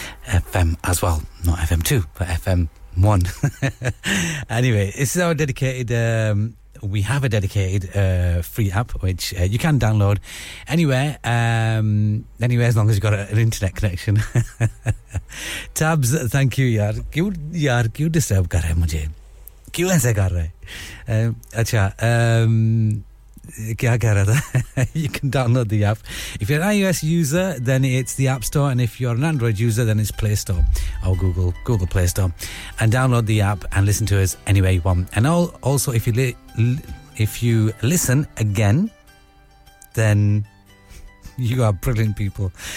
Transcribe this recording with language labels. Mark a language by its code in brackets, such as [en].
[en] FM as well, not FM 2, but FM 1. Anyway, this is our dedicated... we have a dedicated free app which you can download anywhere as long as you've got an internet connection. Tabs, thank you यार. [hi] क्यूँ disturb कर रहे मुझे? क्यूँ ऐसे कर रहे? क्या कह रहा था? [en] You can download the app. If you're an iOS user, then it's the App Store, and if you're an Android user, then it's Play Store or Google Play Store. And download the app and listen to us anywhere you want. And also, if you listen again, then you are brilliant people.